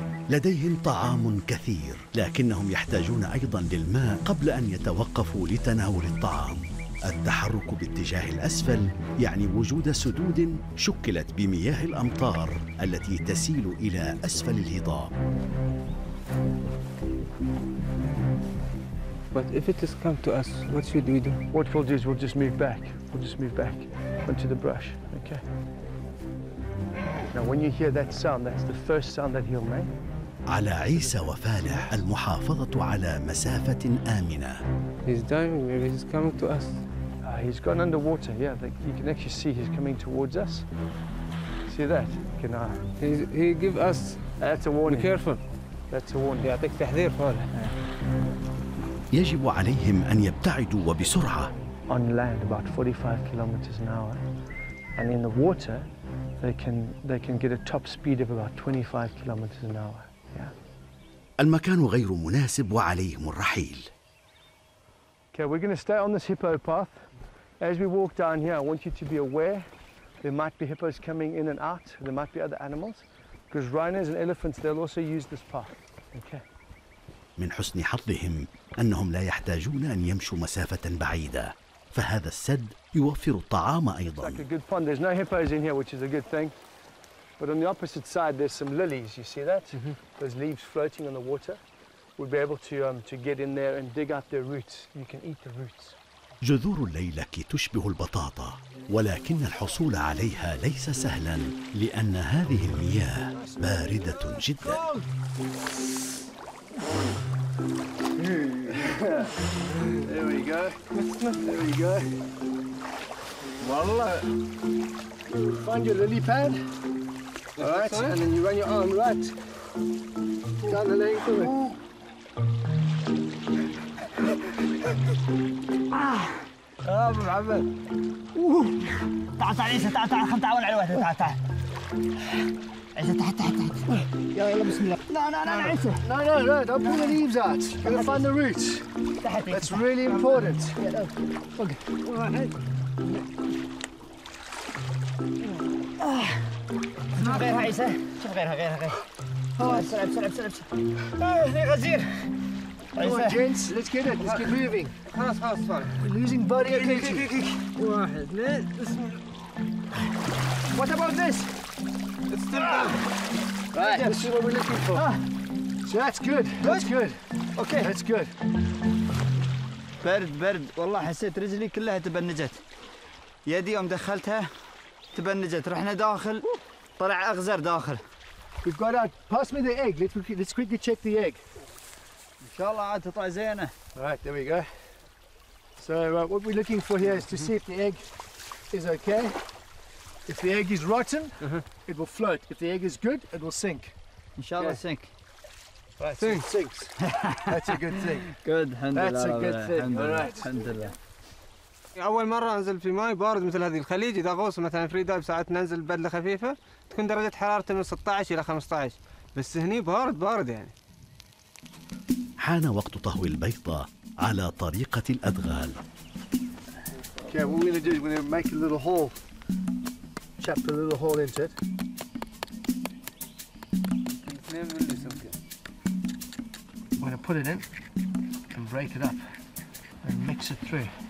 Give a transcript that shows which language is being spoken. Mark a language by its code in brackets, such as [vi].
[ar] لديهم طعام كثير، لكنهم يحتاجون أيضاً للماء قبل أن يتوقفوا لتناول الطعام. التحرك باتجاه الأسفل يعني وجود سدود شكلت بمياه الأمطار التي تسيل إلى أسفل الهضاب. [en] But if it has come to us, what should we do? What we'll do is we'll just move back. We'll just move back into the brush. Okay. Now when you hear that sound, that's the first sound that he'll make. [ar] على عيسى وفالح المحافظة على مسافة آمنة. [en] He's diving, maybe he's coming to us. He's gone underwater. Yeah, you can actually see he's coming towards us. See that? Can I? He give us. That's a warning. Be careful. That's a warning. [ar] يعطيك تحذير فالح. يجب عليهم أن يبتعدوا وبسرعة. [en] On land about 45 kilometers an hour, and in the water, they can get a top speed of about 25 kilometers an hour. [ar] المكان غير مناسب وعليهم الرحيل. [en] Okay, we're going to stay on this hippo path. As we walk down here, I want you to be aware there might be hippos coming in and out. There might be other animals, because rhinos and elephants they'll also use this path. Okay. [ar] من حسن حظهم أنهم لا يحتاجون أن يمشوا مسافة بعيدة، فهذا السد يوفر الطعام أيضا. [en] It's like a good pond. There's no hippos in here, which is a good thing. But on the opposite side, there's some lilies. You see that? Mm-hmm. There's leaves floating in the water. We'll be able to get in there and dig out their roots. You can eat the roots. [ar] جذور الليلك تشبه البطاطا، ولكن الحصول عليها ليس سهلا لأن هذه المياه باردة جدا. [en] There we go. There we go. [ar] والله. [en] Find your lily pad. Alright, and then you run your arm right down the length of it. Ah, Muhammad. Woo! [ar] تعال تعال إيش تعال تعال خل تعال على الوحدة تعال تعال. عيسى تحت تحت تحت. يلا بسم الله. لا لا لا عيسى. لا لا لا. [en] Don't pull the leaves out. You'll find the roots. That's really important. [ar] ما غيرها عيسى. شوف غيرها غيرها غيرها. بسرعة بسرعة بسرعة. يا غزير. [en] Come on, gents, let's get it. Let's keep moving. We're losing body attention. What about this? It's still there. Right. Let's see what we're looking for. So that's good. That's good. Okay. That's good. [ar] برد برد. والله حسيت رجلي كلها تبنجت. يدي يوم دخلتها تبنجت. رحنا داخل طلع أغزر داخل. [en] We've got out. Pass me the egg. Let's quickly check the egg. [ar] إن شاء الله عاد تطلع زينة. [en] Right, there we go. So what we're looking for here is to see if the egg is okay. If the egg is rotten, it will float. If the egg is good, it will sink. [ar] إن شاء الله [en] sink. Right, sink. So it sinks. That's a good thing. Good, [ar] الحمد لله. [en] That's a good thing. Alright, [ar] الحمد لله. أول مرة أنزل في ماء بارد مثل هذه الخليج إذا غوص مثلاً فري دايف ساعات ننزل بدلة خفيفة تكون درجة حرارته من 16 إلى 15 بس هني بارد بارد يعني. حان وقت طهوي البيضة على طريقة الأدغال. [en] Okay, what we're gonna do is we're gonna make a little hole, chop a little hole into it. We're gonna put it in and break it up and mix it through.